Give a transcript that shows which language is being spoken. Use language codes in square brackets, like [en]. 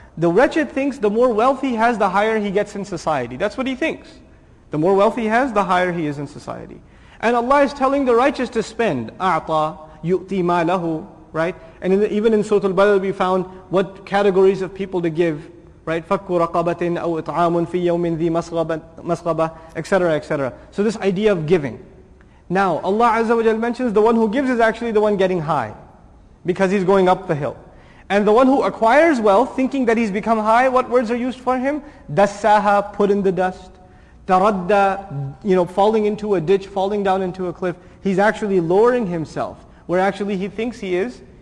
[en] The wretched thinks the more wealth he has, the higher he gets in society. That's what he thinks. The more wealth he has, the higher he is in society. And Allah is telling the righteous to spend. [ar] أَعْطَى يُؤْتِي مَا لَهُ. [en] Right? And even in Surah Al-Badr we found what categories of people to give. Right? [ar] فَكُّ رَقَبَةٍ أَوْ إِطْعَامٌ فِي يَوْمٍ ذِي مَسْغَبَةٍ, etc. [en] etc. So this idea of giving. Now, Allah Azza wa Jal mentions the one who gives is actually the one getting high. Because he's going up the hill. And the one who acquires wealth, thinking that he's become high, what words are used for him? Dassaha, put in the dust. Taradda, you know, falling into a ditch, falling down into a cliff. He's actually lowering himself, where actually he thinks he is